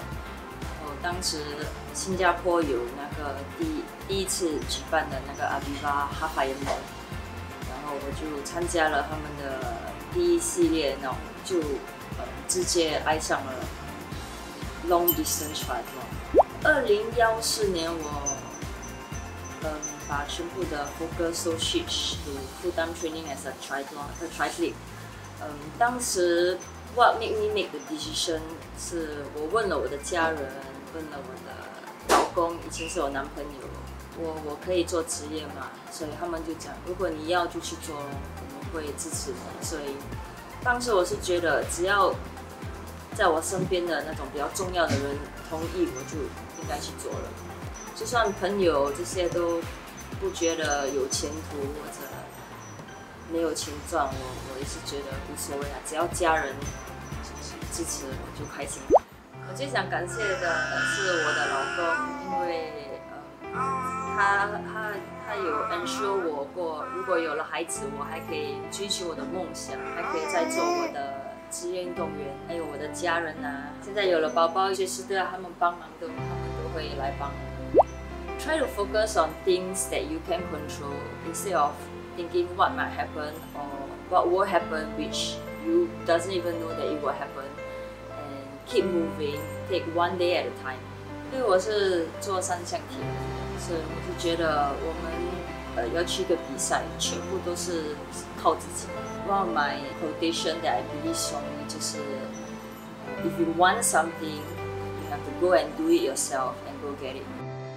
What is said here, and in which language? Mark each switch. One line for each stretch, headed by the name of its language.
Chinese: 然后当时新加坡有那个第一次举办的那个 Aviva Half Ironman， 然后我就参加了他们的第一系列，然后就直接爱上了
English: Long distance triathlon。
Chinese: 2014年，我把全部的
English: focus
Chinese: 都
English: switch to full time training as a triathlon， a triathlete。
Chinese: 当时
English: what made me make the decision
Chinese: 是我问了我的家人，问了我的老公，以前是我男朋友，我可以做职业嘛？所以他们就讲，如果你要就去做，我们会支持你。所以当时我是觉得只要在我身边的那种比较重要的人同意，我就应该去做了。就算朋友这些都不觉得有前途或者没有钱赚，我也是觉得无所谓啊，只要家人支持我就开心。我最想感谢的是我的老公，因为他有 ensure 我过，如果有了孩子，我还可以追求我的梦想，还可以再做我的职业运动员，还有我的家人啊，现在有了宝宝，随时都要他们帮忙的，他们都会来帮。
English: Try to focus on things that you can control instead of thinking what might happen or what will happen, which you doesn't even know that it will happen. And keep moving, take one day at a time.
Chinese: 因为我是做三项体能，所以我就觉得我们要去一个比赛，全部都是靠自己。
English: One of my quotation that I believe strongly
Chinese: 就是
English: ，If you want something, you have to go and do it yourself and go get it.